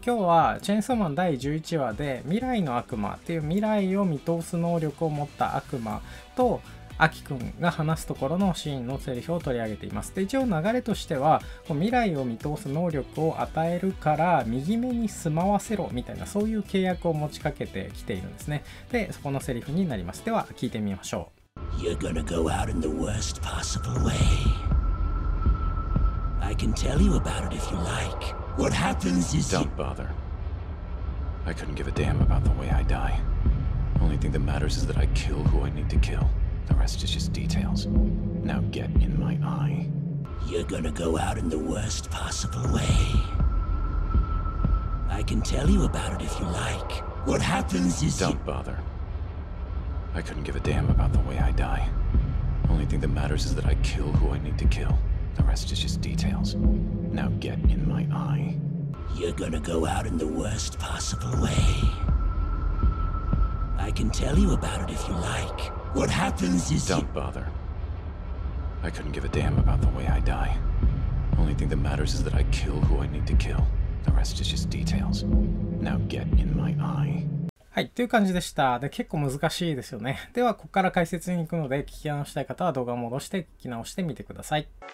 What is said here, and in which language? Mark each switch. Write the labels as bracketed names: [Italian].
[Japanese] 今日はチェーンソーマン第11話で未来の悪魔っていう未来を見通す能力を持った悪魔とアキくんが話すところのシーンのセリフを取り上げています。で、一応流れとしては未来を見通す能力を与えるから右目に住まわせろみたいな、そういう契約を持ちかけてきているんですね。で、そこのセリフになります。では聞いてみましょう。 [English] You're gonna go out in the worst possible wayI can tell you about it if you like. What happens is Don't bother. I couldn't give a damn about the way I die. Only thing that matters is that I kill who I need to kill. The rest is just details. Now get in my eye. You're gonna go out in the worst possible way. I can tell you about it if you like. What happens is Don't bother. I couldn't give a damn about the way I die. Only thing that matters is that I kill who I need to kill. The rest is just details. Now get in my eye. You're gonna go out in the worst possible way. I can tell you about it if you like. What happens is Don't bother. I couldn't give a damn about the way I die. Only thing that matters is that I kill who I need to kill. The rest is just details. Now get in my eye. [Japanese] はい、という感じでした。で、結構難しいですよね。ではここから解説に行くので、聞き直したい方は動画を戻して聞き直してみてください。